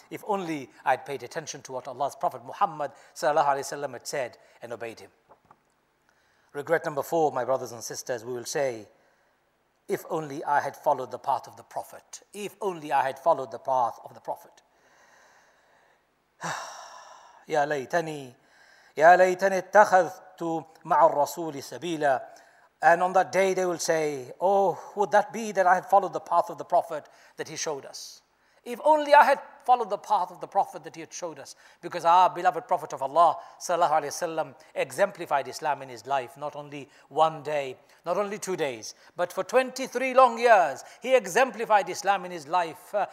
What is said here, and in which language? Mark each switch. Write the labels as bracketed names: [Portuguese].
[English] If only I had paid attention to what Allah's Prophet Muhammad sallallahu alayhi wa sallam had said and obeyed Him. Regret number four, my brothers and sisters, we will say, if only I had followed the path of the Prophet. If only I had followed the path of the Prophet. [Arabic] يا ليتني اتخذت مع الرسول سبيلا. [English] And on that day they will say, oh, would that be that I had followed the path of the Prophet that he showed us. If only I had followed the path of the Prophet that he had showed us. Because our beloved Prophet of Allah sallallahu alayhi wa sallam exemplified Islam in his life, not only one day, not only 2 days, but for 23 long years he exemplified Islam in his life.